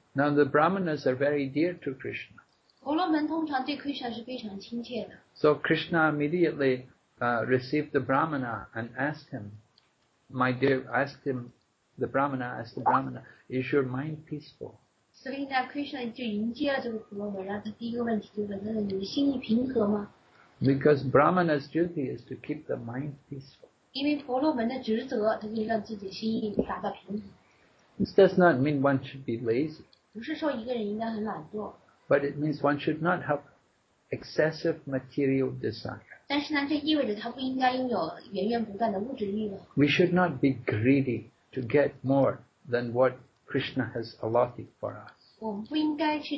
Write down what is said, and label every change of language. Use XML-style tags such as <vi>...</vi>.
<en>Now the Brahmanas are very dear to Krishna.</en> <zh>婆罗门通常对 Krishna 是非常亲切的。</zh> <en>So Krishna immediately received the Brahmana and asked him, "My dear," asked the Brahmana, "Is your mind peaceful?"</en> <zh>所以呢 ，Krishna 就迎接了这个婆罗门，然后他第一个问题就问：“那你的心意平和吗？”</zh> <en>Because Brahmana's duty is to keep the mind peaceful.</en> <zh>因为婆罗门的职责，他就让自己心意达到平衡。</zh> <en>This does not mean one should be lazy.</en> <zh>不是说一个人应该很懒惰。</zh> <en>But it means one should not have excessive material desire.</en> <zh>但是呢，这意味着他不应该拥有源源不断的物质欲望。</zh> <en>We should not be greedy to get more than what Krishna has allotted for us.</en>